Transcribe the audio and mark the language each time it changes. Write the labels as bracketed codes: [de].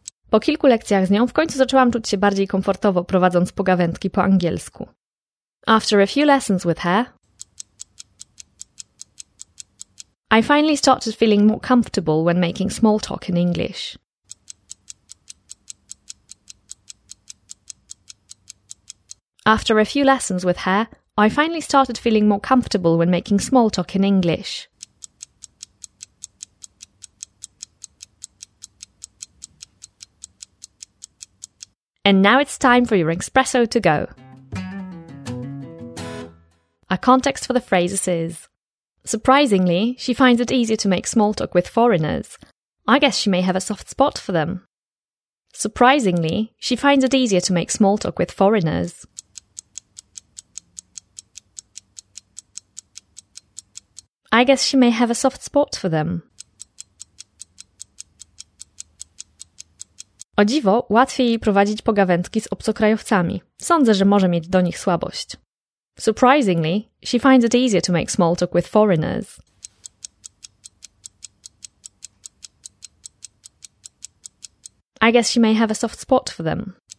[pl] Po kilku lekcjach z nią w końcu zaczęłam czuć się bardziej komfortowo prowadząc pogawędki po angielsku. [en] After a few lessons with her, I finally started feeling more comfortable when making small talk in English. After a few lessons with her, I finally started feeling more comfortable when making small talk in English. And now it's time for your espresso to go. A context for the phrases is, surprisingly, she finds it easier to make small talk with foreigners. I guess she may have a soft spot for them. Surprisingly, she finds it easier to make small talk with foreigners. I guess she may have a soft spot for them. [pl] O dziwo, łatwiej jej prowadzić pogawędki z obcokrajowcami. Sądzę, że może mieć do nich słabość. [en] Surprisingly, she finds it easier to make small talk with foreigners. I guess she may have a soft spot for them.